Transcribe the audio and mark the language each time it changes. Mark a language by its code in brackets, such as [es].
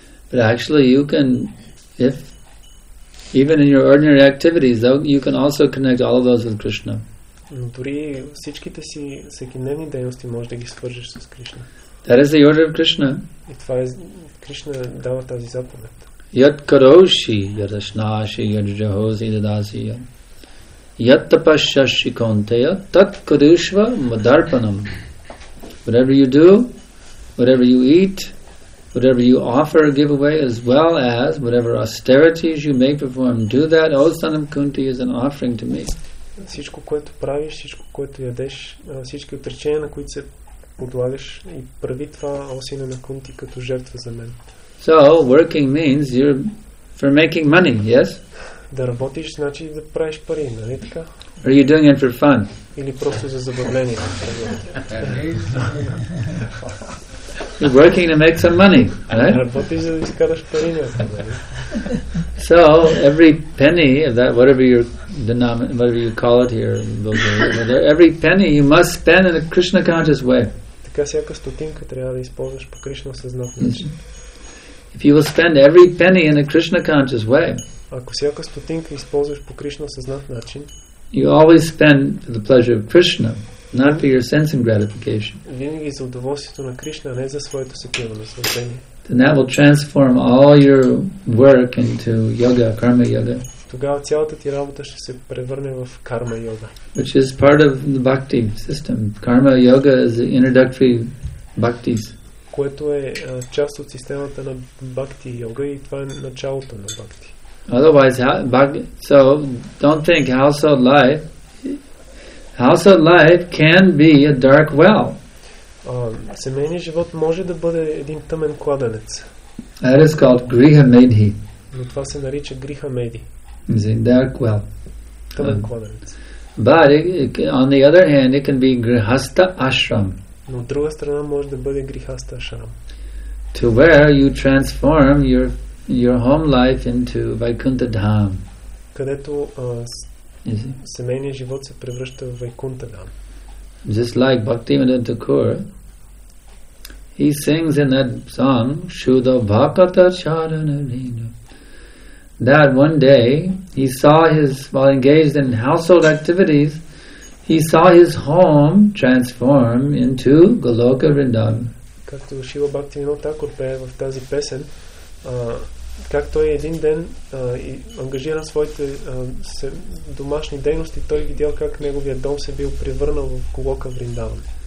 [en] But actually, you can, if even in your ordinary activities, though, you can also connect all of those with Krishna. [bg] Дори всичките си всекидневни дейности можеш да ги свържеш с Кришна. [en] That is the order of Krishna. [bg] И това е Кришна дава тази заповед. [sa] Yat karoshi yadashnashi yadjahosi dadasi yam. Yat tapashashi kaunteya tat kurushva madarpanam. [en] Whatever you do, whatever you eat, whatever you offer or give away, as well as whatever austerities you may perform, do that, O son of Kunti, as an offering to me. [bg] Всичко, което правиш, всичко, което ядеш, всички отречения, на които се подлагаш, и прави това, О сина на Кунти, като жертва за мен. [en] So, working means you're for making money, yes? [bg] Да работиш, значи да правиш пари, нали така? [en] Are you doing it for fun? [bg] Или просто за забавление? [en] You're working to make some money, right? [bg] Работиш, за да изкараш пари, нали? [en] So, every penny of that, whatever you call it here in Bulgaria, every penny you must spend in a Krishna conscious way. [bg] Така всяка стотинка трябва да използваш по Кришна съзнат начин. [en] If you will spend every penny in a Krishna conscious way, [bg] ако всяка стотинка използваш по Кришна съзнат начин, [en] you always spend for the pleasure of Krishna, not for your sense and gratification. [bg] Винаги за удоволствието на Кришна, не за своето сетиво наслаждение. [en] Then that will transform all your work into yoga, karma yoga. [bg] Тогава цялата ти работа ще се превърне в карма йога. [en] Which is part of the bhakti system. Karma yoga is the introductory bhaktis. [bg] Което е част от системата на бхакти йога, и това е началото на бхакти. [en] Otherwise, so don't think household life can be a dark well. [bg] Семейният живот може да бъде един тъмен кладенец. [en] That is called griha medhi. [bg] Но това се нарича griha medhi. [en] It's a dark well. [bg] Тъмен кладенец. [en] But on the other hand, it can be grihastha ashram. [bg] Но от друга страна може да бъде грихаста ашрам. [en] To where you transform your home life into Vaikuntha Dham. [bg] Където семейният живот се превръща в Vaikuntha Dham. [en] Just like Bhaktivinoda Thakur, he sings in that song, Shudha Bhakata Charana Rina, that one day he saw while engaged in household activities, he saw his home transform into Goloka Vrindavan. [bg] Както Шива Бхактивинода Такур пее в тази песен, как той един ден ангажира своите домашни дейности, той видял как неговия дом се бил превърнал в Голока Вриндаван.